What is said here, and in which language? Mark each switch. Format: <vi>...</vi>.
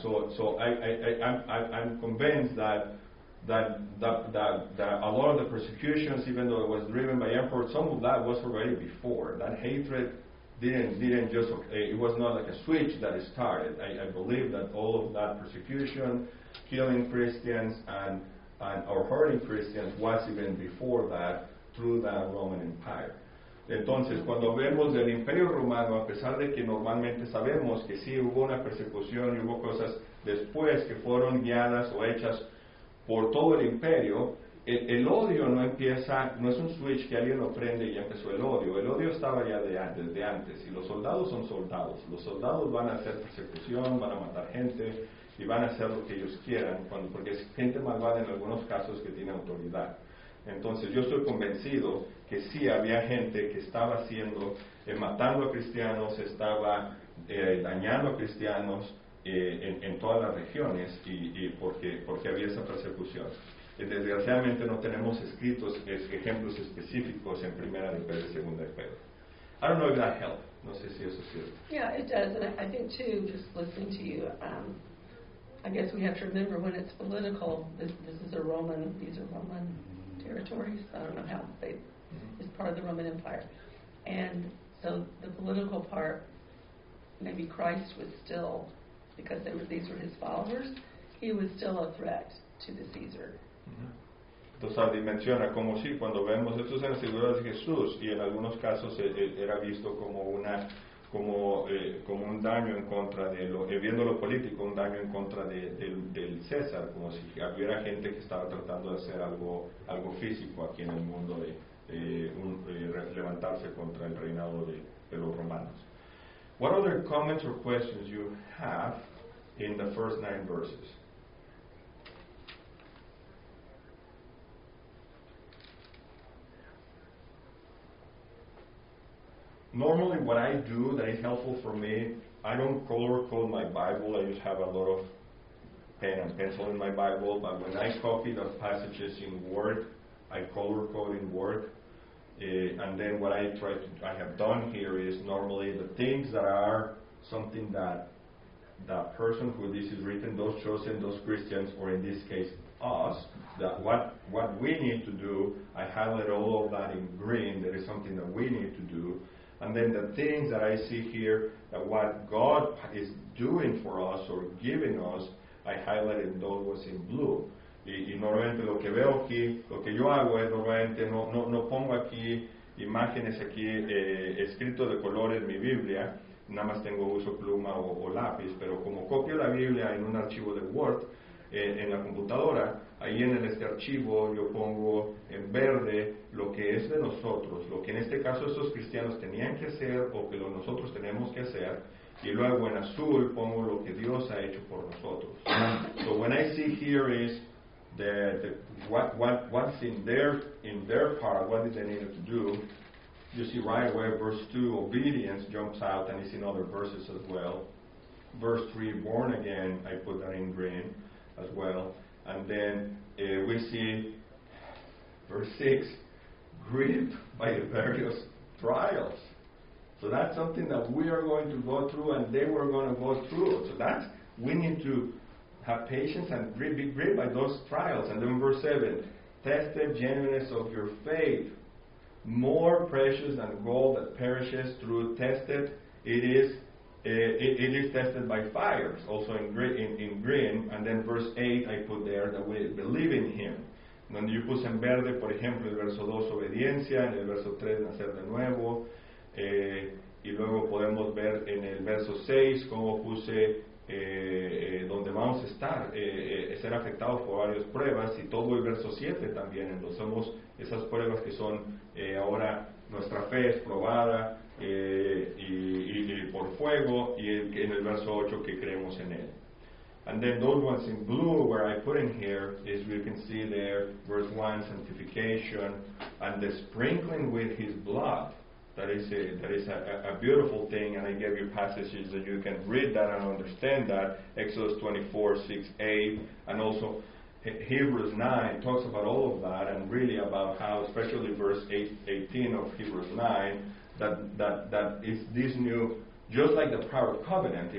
<en>So I'm convinced that a lot of the persecutions, even though it was driven by emperors, some of that was already before. That hatred didn't just, okay, it was not like a switch that it started. I believe that all of that persecution, killing Christians and or hurting Christians, was even before that through the Roman Empire.</en> <es>Entonces, cuando vemos del Imperio Romano, a pesar de que normalmente sabemos que sí hubo una persecución y hubo cosas después que fueron guiadas o hechas por todo el imperio, el odio no empieza, no es un</es> <en>switch</en> <es>que alguien lo prende y ya empezó el odio. El odio estaba ya desde antes, y los soldados son soldados. Los soldados van a hacer persecución, van a matar gente, y van a hacer lo que ellos quieran, porque es gente malvada en algunos casos que tiene autoridad. Entonces, yo estoy convencido que sí había gente que estaba haciendo, matando a cristianos, estaba dañando a cristianos, en todas las regiones y porque había esa persecución. Desgraciadamente no tenemos escritos ejemplos específicos en Primera de Pedro y Segunda de Pedro.</es> <en>I don't know if that helped.</en> <es>No sé si eso sirve.</es> <en>Yeah, it does, and I think too, just listening to you, I guess we have to remember when it's political, this is a Roman, these are Roman territories. I don't know how they, it's part of the Roman Empire. And so the political part, maybe Christ was still, because they were, these were his followers, he was still a threat to the Caesar.</en> <es>Entonces Sardi menciona como si cuando vemos estos en la figura de Jesús y en algunos casos era visto como una como un daño en contra de lo viendo lo político, un daño en contra del César, como si hubiera gente que estaba tratando de hacer algo físico aquí en el mundo levantarse contra el reinado de los romanos.</es> <en>What other comments or questions you have in the first 9 verses? Normally what I do that is helpful for me, I don't color code my Bible, I just have a lot of pen and pencil in my Bible, but when I copy the passages in Word, I color code in Word, and then what I have done here is normally the things that are something that the person who this is written, those chosen, those Christians, or in this case us, that what we need to do, I highlight all of that in green, that is something that we need to do. And then the things that I see here, that what God is doing for us or giving us, I highlighted those in blue.</en> <es>Y normalmente lo que veo aquí, lo que yo hago es normalmente no pongo aquí imágenes aquí escrito de colores mi Biblia, nada más tengo uso pluma o lápiz, pero como copio la Biblia en un archivo de Word en la computadora, ahí en este archivo yo pongo en verde lo que es de nosotros, lo que en este caso estos cristianos tenían que hacer o que nosotros tenemos que hacer, y luego en azul pongo lo que Dios ha hecho por nosotros.</es> <en>So when I see here is the what's in their part, what did they need to do, you see right away verse 2, obedience jumps out, and it's in other verses as well. Verse 3, born again, I put that in green as well. And then we see verse 6, gripped by various trials. So that's something that we are going to go through and they were going to go through. So that's, we need to have patience and be gripped by those trials. And then verse 7, tested genuineness of your faith, more precious than gold that perishes through tested, it is tested by fires, also in green. And then verse 8, I put there that we believe in him.</en> <es>Donde yo puse en verde, por ejemplo, el verso 2, obediencia, en el verso 3, nacer de nuevo. Y luego podemos ver en el verso 6, cómo puse donde vamos a estar, ser afectados por varias pruebas. Y todo el verso 7 también, entonces somos esas pruebas que son ahora nuestra fe es probada. Y por fuego y en el verso 8 que creemos en él.</es> <en>And then those ones in blue where I put in here is we can see there verse 1 sanctification and the sprinkling with his blood. That is a beautiful thing, and I gave you passages that you can read that and understand that. Exodus 24:6-8 and also Hebrews 9 talks about all of that and really about how especially verse 18 of Hebrews 9 that is this new, just like the prior covenant.</en>